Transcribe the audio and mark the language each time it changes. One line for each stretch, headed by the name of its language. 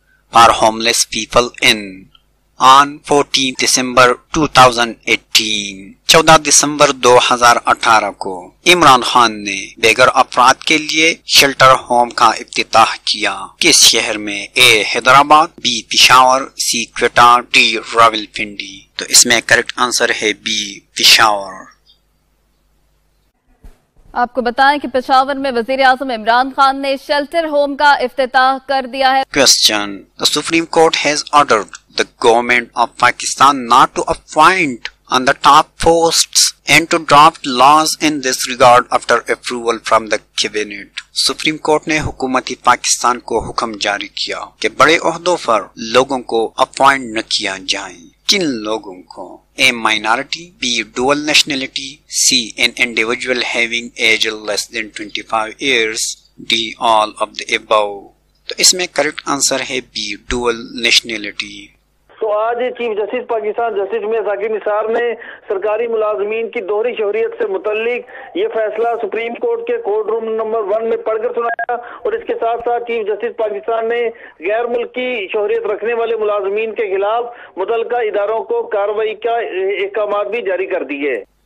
English: for homeless people in on 14 December 2018
Urdu: 14 دسمبر 2018 کو عمران خان نے beggar افراد کے لیے شیلٹر ہوم کا افتتاح کیا کس شہر میں اے Hyderabad be Peshawar C Quetta D Rawalpindi تو اس میں کریکٹ آنسر ہے بی پشاور آپ کو بتائیں کہ پشاور میں وزیراعظم عمران خان نے شیلٹر ہوم کا افتتاح کر دیا ہے
English: Question The Supreme Court has ordered the government of Pakistan not to appoint on the top posts and to draft laws in this regard after approval from the cabinet.
Urdu: Supreme Court نے حکومتی پاکستان کو حکم جاری کیا کہ بڑے عہدوں پر لوگوں کو appoint نہ کیا جائیں. کن لوگوں کو
English: A. Minority B. Dual Nationality C. An individual having age less than 25 years D. All of the above
Urdu: تو اس میں
English: correct answer ہے B. Dual Nationality
Urdu: تو آج چیف جسٹس پاکستان جسٹس میں ذاکر نثار نے سرکاری ملازمین کی دوہری شہریت سے متعلق یہ فیصلہ سپریم کورٹ کے کورٹ روم نمبر 1 میں پڑھ کر سنایا اور اس کے ساتھ ساتھ چیف جسٹس پاکستان نے غیر ملکی شہریت رکھنے والے ملازمین کے خلاف متعلقہ اداروں کو کاروائی کا احکامات بھی جاری کر دیے